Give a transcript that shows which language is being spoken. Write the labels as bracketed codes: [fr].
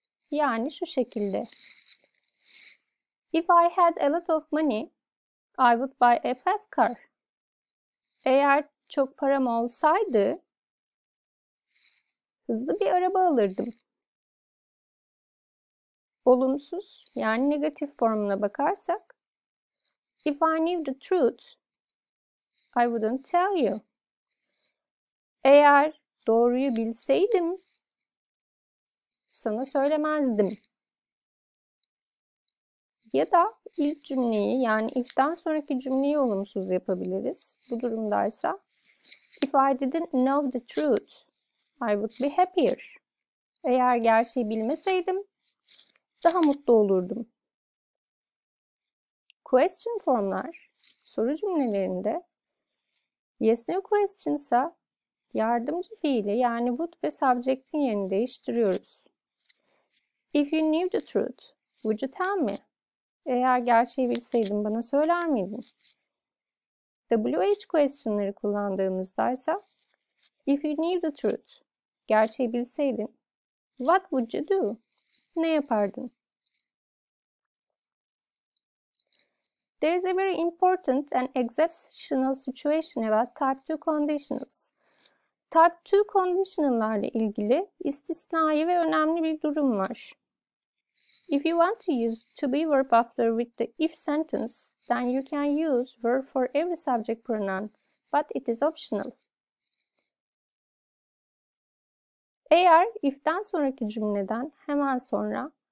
[tr] Yani şu şekilde. [en] If I had a lot of money, I would buy a fast car. [tr] Eğer çok param olsaydı, hızlı bir araba alırdım. Olumsuz, yani negatif formuna bakarsak, [en] if I knew the truth, I wouldn't tell you. [tr] Eğer doğruyu bilseydim, sana söylemezdim. Ya da ilk cümleyi, yani if'ten sonraki cümleyi olumsuz yapabiliriz. Bu durumdaysa, [en] if I didn't know the truth, I would be happier. [tr] Eğer gerçeği bilmeseydim, daha mutlu olurdum. Question formlar, soru cümlelerinde yes no questions'a yardımcı fiili yani would ve subject'in yerini değiştiriyoruz. [en] If you knew the truth, would you tell me? [tr] Eğer gerçeği bilseydim, bana söyler miydin? WH question'ları kullandığımızdaysa [en] if you knew the truth, [tr] gerçeği bilseydin, [en] what would you do? [tr] Ne yapardın? [en] There is a very important and exceptional situation about type 2 conditionals. [tr] Type 2 conditionallarla ilgili istisnai ve önemli bir durum var. [en] If you want to use to be verb after with the if sentence, then you can use verb for every subject pronoun, but it is optional. [tr] Eğer if'ten sonraki cümleden hemen sonra